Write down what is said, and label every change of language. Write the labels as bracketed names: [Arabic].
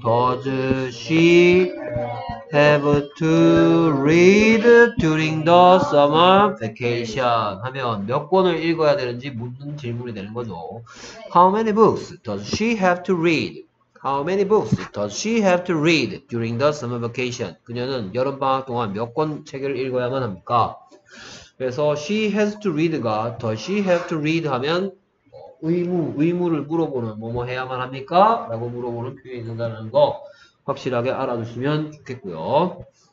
[English] Does she have to read during the summer vacation? [Korean] 하면 몇 권을 읽어야 되는지 묻는 질문이 되는 거죠. [English] How many books does she have to read? How many books does she have to read during the summer vacation? [Korean] 그녀는 여름방학 동안 몇 권 책을 읽어야만 합니까? 그래서 [English] she has to read [Korean] 가 [English] does she have to read [Korean] 하면 의무를 물어보는 뭐뭐 해야만 합니까? 라고 물어보는 표현이 된다는 거 확실하게 알아두시면 좋겠고요.